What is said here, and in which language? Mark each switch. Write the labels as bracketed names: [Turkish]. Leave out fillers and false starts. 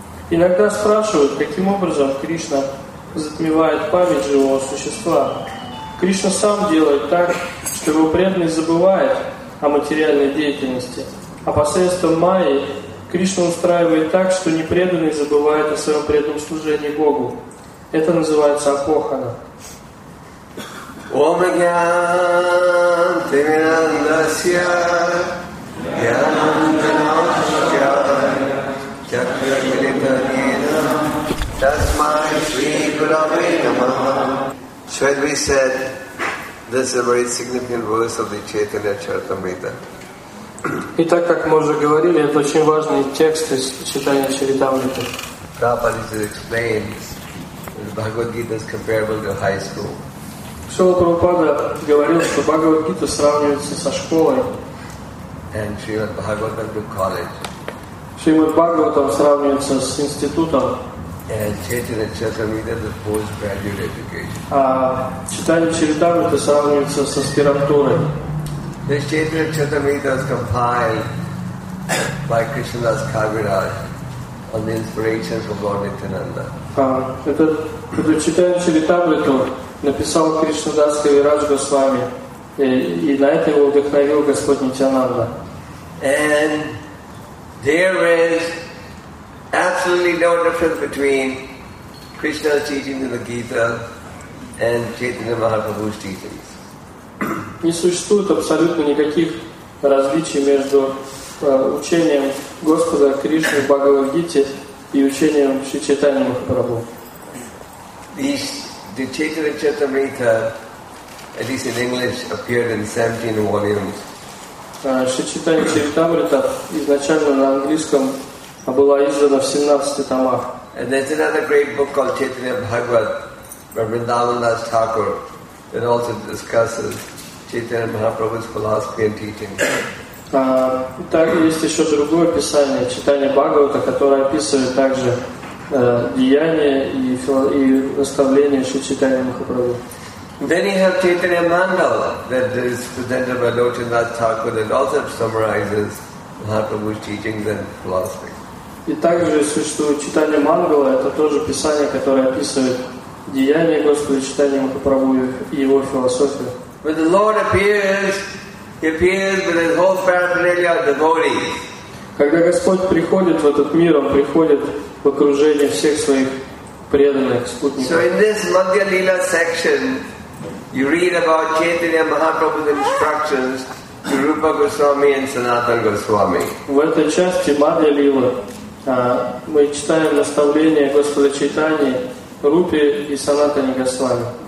[Russian] Иногда спрашивают, каким образом Кришна затмевает память живого существа. Кришна сам делает так, что его преданный забывает, о материальной деятельности, а посредством майи Кришна устраивает так, что непреданный забывает о своем преданном служении Богу. Это называется апохана. [English] So as we said, this is a very significant verse of the Chaitanya Charitamrita. [Russian] Итак, как мы уже говорили, это очень важный текст из Читания Чаритамриты. [English] Prabhupada explains that the Bhagavad Gita is comparable to high school. [Russian] Шрила Прабхупада говорил, что Бхагавад Гита сравнивается со школой. [English] And Шрила Бхагаватам to college. [Russian] Шрила Бхагаватам сравнивается с институтом. [English] And Chaitanya Charitamrita is a postgraduate education. [Russian] А Читание Чаритамриты сравнивается с аспирантурой. [English] The Chaitanya Charitamrita is compiled by Krishnadas Kaviraj on the inspiration from Lord Nityananda. [Russian] Это Читание Чаритамриту написал Кришнадас Кавирадж Госвами, и на это его вдохновил Господь Нитянанда. [English] And there is absolutely no difference between Krishna's teachings in the Gita and Chaitanya Mahaprabhu's teachings. [Russian] Не существует абсолютно никаких различий между учением Господа Кришны в Бхагавад-гите и учением Шри Чайтаньи Махапрабху. [English] The Chaitanya Charitamrita, at least in English, appeared in 17 volumes. [Russian] Шри Чайтанья Чаритамрита изначально на английском была издана в 17 томах. [English] And there's another great book called Chaitanya Bhagavat by Vrindavan Das Thakur that also discusses Chaitanya Mahaprabhu's philosophy and teaching. [Russian] Так, есть еще другое писание, Читание Бхагавата, которое описывает также деяния и наставления Шри Чайтанья Махапрабху. [English] Then you have Chaitanya Mandala that is presented by Lokanath Thakur that also summarizes Mahaprabhu's teachings and philosophy. [Russian] И также существует Читание Мангала, это тоже писание, которое описывает деяния Господа Читания Махапрабху и его философию. [English] When the Lord appears, He appears with His whole paraphernalia of devotees. [Russian] Когда Господь приходит в этот мир, Он приходит в окружение всех своих преданных спутников. [English] So in this Madhya Lila section, you read about Chaitanya Mahaprabhu's instructions to Rupa Goswami and Sanatana Goswami. [Russian] В этой части Madhya Lila мы читаем наставления Господа Чайтаньи Рупе и Санатане Госвами.